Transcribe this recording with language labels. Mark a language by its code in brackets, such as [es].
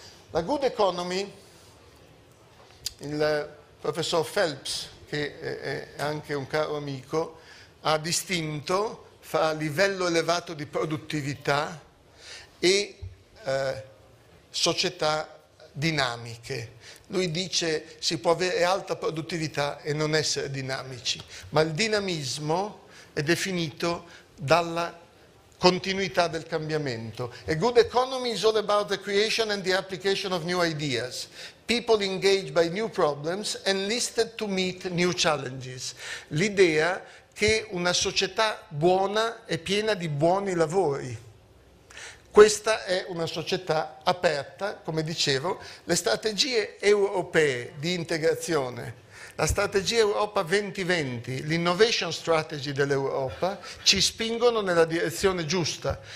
[it] La good economy, il professor Phelps, che è anche un caro amico, ha distinto fra livello elevato di produttività e società dinamiche. Lui dice si può avere alta produttività e non essere dinamici, ma il dinamismo è definito dalla continuità del cambiamento. [en] A good economy is all about the creation and the application of new ideas. People engaged by new problems enlisted to meet new challenges. [it] L'idea che una società buona è piena di buoni lavori. Questa è una società aperta, come dicevo, le strategie europee di integrazione. La strategia Europa 2020, l'innovation strategy dell'Europa, ci spingono nella direzione giusta.